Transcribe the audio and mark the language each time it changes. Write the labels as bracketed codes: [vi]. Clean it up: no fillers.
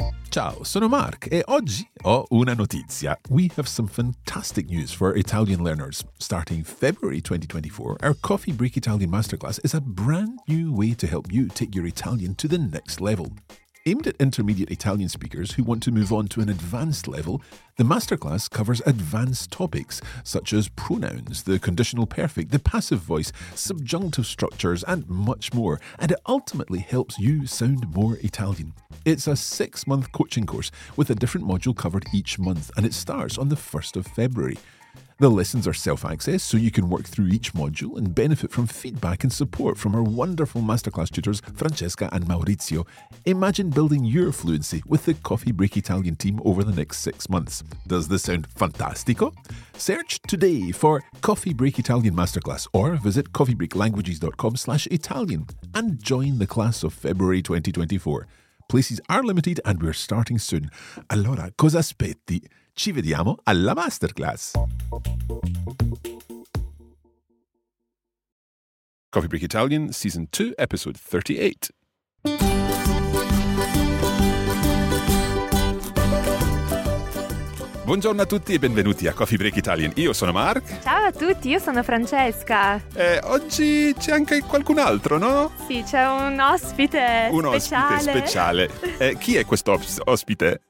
[it] Ciao, sono Mark e oggi ho una notizia. [en] We have some fantastic news for Italian learners. Starting February 2024, our Coffee Break Italian Masterclass is a brand new way to help you take your Italian to the next level. Aimed at intermediate Italian speakers who want to move on to an advanced level, the masterclass covers advanced topics such as pronouns, the conditional perfect, the passive voice, subjunctive structures, and much more, and it ultimately helps you sound more Italian. It's a six-month coaching course with a different module covered each month, and it starts on the 1st of February. The lessons are self-access, so you can work through each module and benefit from feedback and support from our wonderful masterclass tutors, Francesca and Maurizio. Imagine building your fluency with the Coffee Break Italian team over the next 6 months. Does this sound fantastico? Search today for Coffee Break Italian Masterclass or visit coffeebreaklanguages.com/Italian and join the class of February 2024. Places are limited and we're starting soon. [it] Allora, cosa aspetti? Ci vediamo alla masterclass. [en] Coffee Break Italian, Season 2, Episode 38. [it] Buongiorno a tutti e benvenuti a Coffee Break Italian. Io sono Mark. Ciao a tutti, io sono Francesca. Oggi c'è anche qualcun altro, no? Sì, c'è un ospite speciale. Un ospite speciale. Chi è questo ospite?